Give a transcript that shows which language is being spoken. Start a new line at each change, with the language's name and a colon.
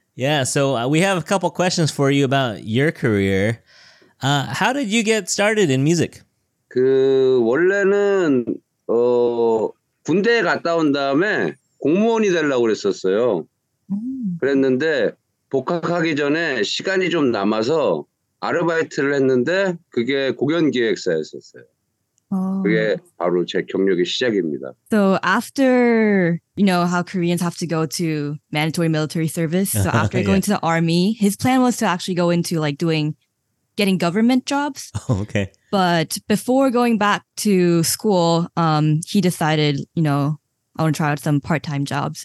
English: Yeah, so we have a couple questions for you about your career. How did you get started in music?
Korean: 원래는 군대에 갔다 온 다음에 공무원이 되려고 그랬었어요. 그랬는데 복학하기 전에 시간이 좀 남아서 아르바이트를 했는데 그게 공연 기획사였었어요.
English: Oh.
Korean: 그게 바로 제 경력의 시작입니다.
English: So after, you know, how Koreans have to go to mandatory military service. So after going to the army, his plan was to actually go into like getting government jobs. Oh, okay. But before going back to school, he decided, you know, I want to try out some part-time jobs.